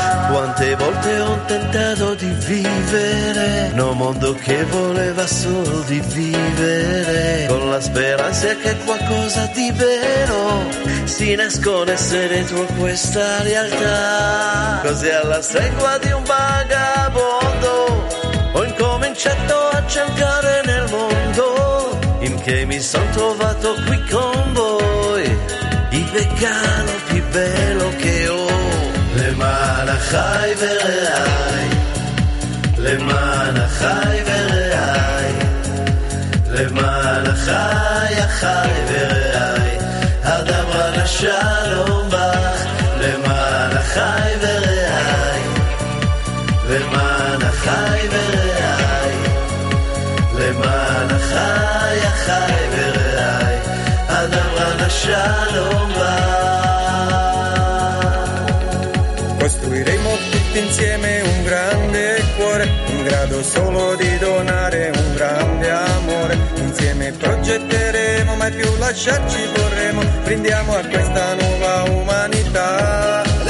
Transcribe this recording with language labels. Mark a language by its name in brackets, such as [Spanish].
[Italian] Quante volte ho tentato di vivere, no mondo che voleva solo di vivere, con la speranza che qualcosa di vero si nascondesse dentro questa realtà, così alla stregua di un vagabondo, ho incominciato a cercare nel mondo, in che mi sono trovato qui con voi. Il regalo più bello che ho, [Hebrew] למען אחי ורעי, למען אחי ורעי, למען אחי, אחי ורעי, אדברה נא שלום בך, למען אחי ורעי, למען אחי ורעי, למען אחי, אחי ורעי, אדברה נא שלום. [Italian] Costruiremo tutti insieme un grande cuore, in grado solo di donare un grande amore. Insieme progetteremo, mai più lasciarci vorremo, brindiamo a questa nuova umanità.